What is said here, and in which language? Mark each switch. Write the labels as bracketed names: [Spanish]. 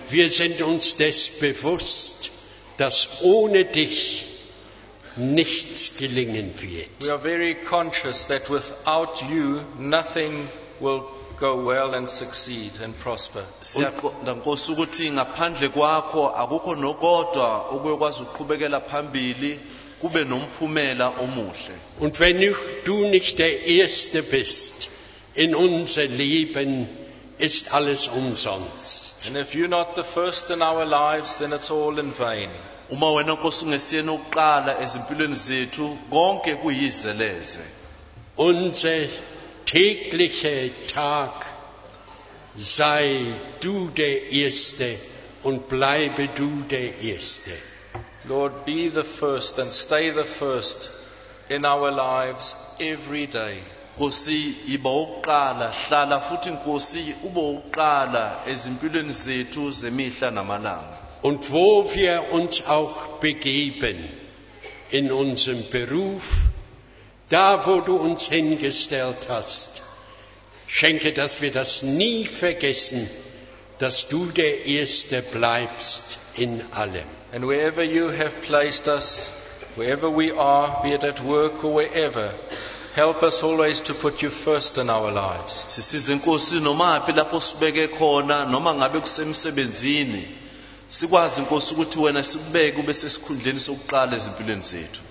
[German] Wir sind uns des bewusst, dass ohne dich nichts gelingen wird. [English] We are very conscious that without you nothing will go well and succeed and prosper. [Zulu] Siyakunxusa ukuthi ngaphandle kwakho akukho nokodwa okwekwazi ukuqhubekela phambili. Kube nomphumela omuhle. [German] Und wenn du nicht der Erste bist in unser Leben, ist alles umsonst. [English] And if you're not the first in our lives, then it's all in vain. [Zulu] Uma wena Nkosi ungesiyena ukuqala ezimpilweni zethu, konke kuyizeleze. [German] Unser täglicher Tag sei du der Erste und bleibe du der Erste. [English] Lord, be the first and stay the first in our lives every day. [Zulu] Nkosi, iba uqala, hlala futhi Nkosi, ube uqala ezimpilweni zethu zemihla namalanga. [German] Und wo wir uns auch begeben in unserem Beruf, da wo du uns hingestellt hast, schenke, dass wir das nie vergessen, dass du der Erste bleibst in allem. [English] And wherever you have placed us, wherever we are, be it at work or wherever, help us always to put you first in our lives. [Zulu] Sisize Nkosi noma api lapho sibeke khona noma ngabe kusemsebenzini sikwazi Nkosi ukuthi wena sikubeke ube sesikhundleni sokuqala ezimpilweni zethu.